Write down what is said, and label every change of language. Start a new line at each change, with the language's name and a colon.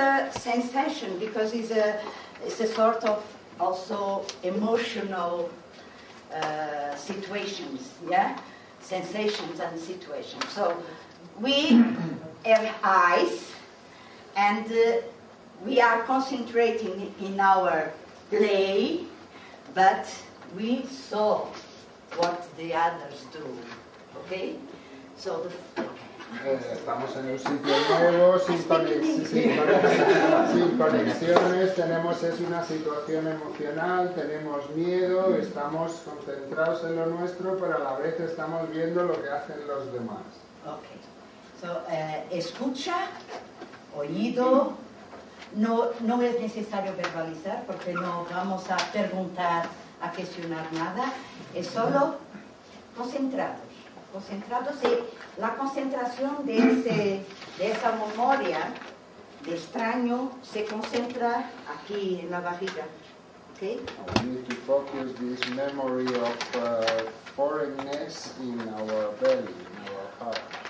English: Sensation, because it's a sort of also emotional situations, yeah, sensations and situations. So we have eyes, and we are concentrating in our play, but we saw what the others do. Okay, so the.
Spanish: Estamos en un sitio nuevo, sin conexiones, tenemos una situación emocional, tenemos miedo, estamos concentrados en lo nuestro, pero a la vez estamos viendo lo que hacen los demás.
English: Ok. So,
Spanish: escucha, oído, no es necesario verbalizar porque no vamos a preguntar, a cuestionar nada, es solo concentrado. Concentrados y la concentración de esa memoria de extraño se concentra aquí en la barriga.
English: Okay? We need to focus this memory of foreignness in our belly, in our heart.